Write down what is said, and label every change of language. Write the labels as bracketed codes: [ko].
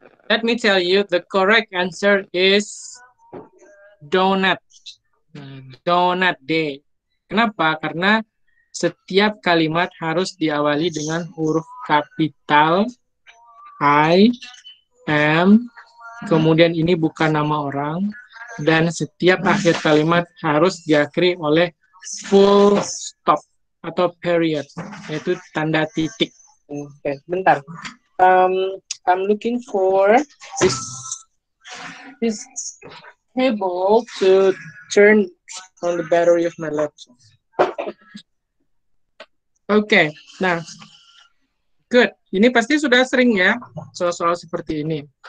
[en] Let me tell you, the correct answer is donat. Donat day. [id] Kenapa? Karena setiap kalimat harus diawali dengan huruf kapital I, M, kemudian ini bukan nama orang, dan setiap akhir kalimat harus diakhiri oleh full stop atau period, yaitu tanda titik. Okay, bentar. [en] I'm looking for this cable to turn on the battery of my laptop. [id] Okay, nah, good. Ini pasti sudah sering ya, soal-soal seperti ini.